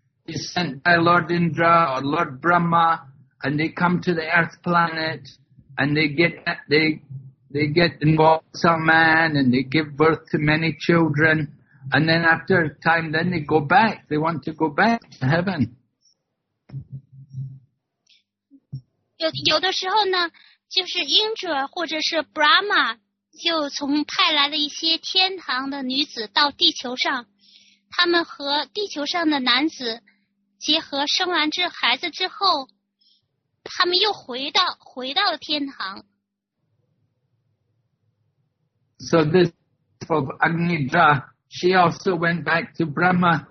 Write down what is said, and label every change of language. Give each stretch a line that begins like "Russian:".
English: She's sent by Lord Indra or Lord Brahma, and they come to the earth planet, and they get involved with some man and they give birth to many children. And then after a time, then they go back. They want to go back to heaven.
Chinese: 有的时候呢，就是 Indra 或者是 Brahma 就从派来了一些天堂的女子到地球上，他们和地球上的男子结合，生完这孩子之后，他们又回到了天堂。
English: So this of Agnidra, she also went back to Brahma.